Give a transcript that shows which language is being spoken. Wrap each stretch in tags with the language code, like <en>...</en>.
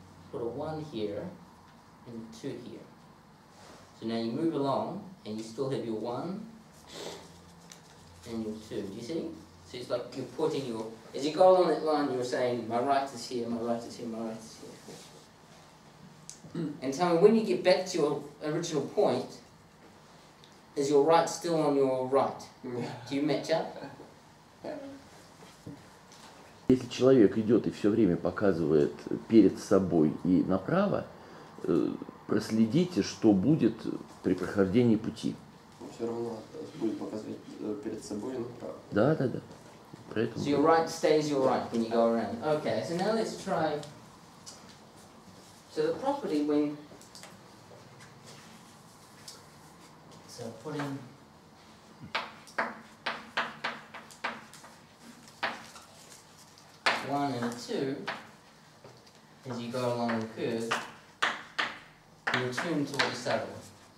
<en>Put a 1 here and a 2 here. So now you move along and you still have your 1 and your 2. Do you see? So it's like you're putting your, as you go along that line, you're saying, my right is here, my right is here, my right is here. And tell me, when you get back to your original point, is your right still on your right? Do you match up?</en> <ru>Если человек идет и все время показывает перед собой и направо, проследите, что будет при прохождении пути. Все равно будет показывать перед собой и направо. Да, да, да. Поэтому.</ru> <en>So your right stays your right when you go around. Okay, so now let's try. So the property when, so putting, one and a two, as you go along the curve, you return to what you started with.</en>